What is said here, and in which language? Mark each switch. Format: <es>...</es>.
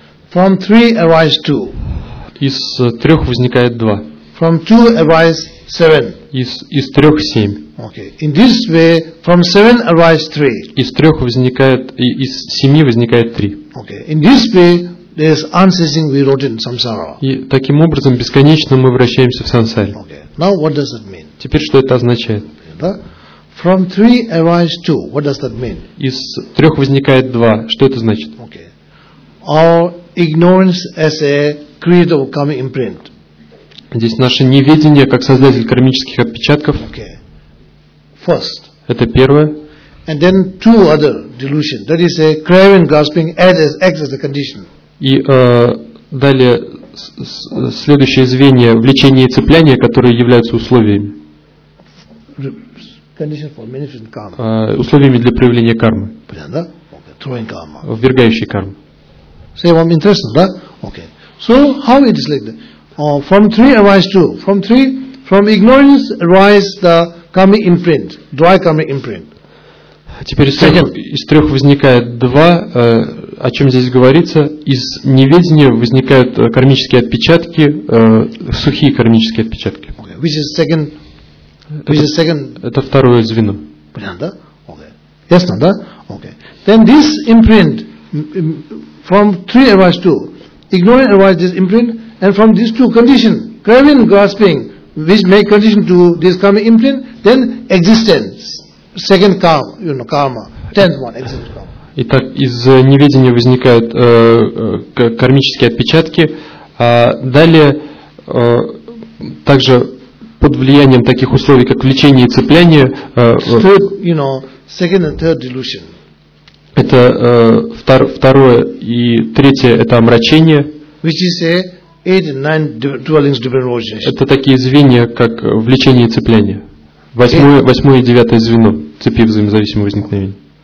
<en>From three arise two.</en> <ru>Из трех возникает два.</ru> <en>From two arise seven.</en> <ru>Из трех семь.</ru> <en>Okay. In this way, from seven arise three.</en> <ru>Из трех возникает из семи возникает три.</ru> <en>Okay. In this way, there is unceasing we rotate in samsara.</en> <ru>И таким образом бесконечно мы вращаемся в сансаре.</ru> <en>Okay. Now what does it mean?</en> <ru>Теперь что это означает?</ru> <en>From three arise two. What does that mean?</en> <ru>Из трех возникает два. Что это значит?</ru> <en>Okay. Our ignorance as a creator of karma imprint.</en> <ru>Здесь наше неведение как создатель кармических отпечатков.</ru> <en>Okay. First.</en> <ru>Это первое.</ru> <en>And then two other delusions. That is a craving, grasping, acts as a condition.</en> <ru>И далее следующее звенье влечение и цепляние, которые являются условиями. Условиями для проявления кармы. Ввергающей карму.</ru> <en>Say one interesting, да? Okay. So how it is like that? From three arise two. From three, from ignorance arise the karma imprint, dry karma imprint.</en> <ru>Теперь из трех возникает два. О чем здесь говорится? Из неведения возникают кармические отпечатки, сухие кармические отпечатки.</ru> <en>Okay. Which is second? Which is second?</en> <ru>Это второе звено. Понятно, да?</ru> <en>Okay.</en> <ru>Ясно, да?</ru> <en>Okay. Then this imprint. From three arise two, ignorance arise this imprint, and from these two condition, craving, grasping, which make condition to this karma imprint, then existence, second karma, you know, karma, tenth one, existence karma.</en> <ru>Итак, из неведения возникают кармические отпечатки. Далее, также под влиянием таких условий, как влечение и цепляние.</ru> <en>Third, you know, second and third delusion.</en> <ru>Это второе и третье это омрачение.</ru> <en>Which is eight and nine dwellings different origins.</en> <ru>Это такие звенья, как влечение и цепляние. Восьмое и девятое звено цепи взаимозависимого возникновения.</ru>